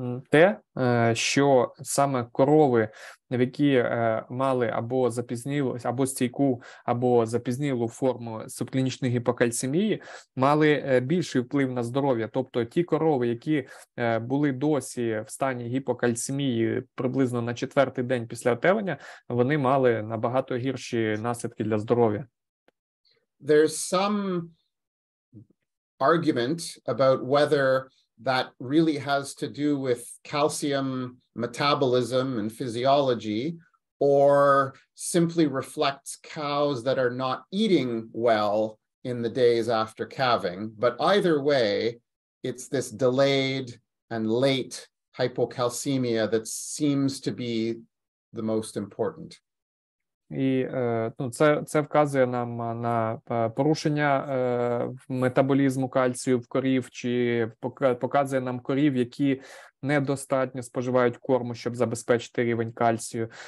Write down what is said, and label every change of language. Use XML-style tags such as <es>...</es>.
<uk>те, що саме корови, які мали або запізнілу, або стійку, або запізнілу форму субклінічної гіпокальцемії, мали більший вплив на здоров'я. Тобто ті корови, які були досі в стані гіпокальцемії приблизно на четвертий день після отелення, вони мали набагато гірші наслідки для здоров'я.</uk> <en>There's some argument about whether that really has to do with calcium metabolism and physiology, or simply reflects cows that are not eating well in the days after calving. But either way, it's this delayed and late hypocalcemia that seems to be the most important.</en> <uk>І ну, це вказує нам на порушення метаболізму кальцію в корів, чи показує нам корів, які недостатньо споживають корму, щоб забезпечити рівень кальцію.</uk>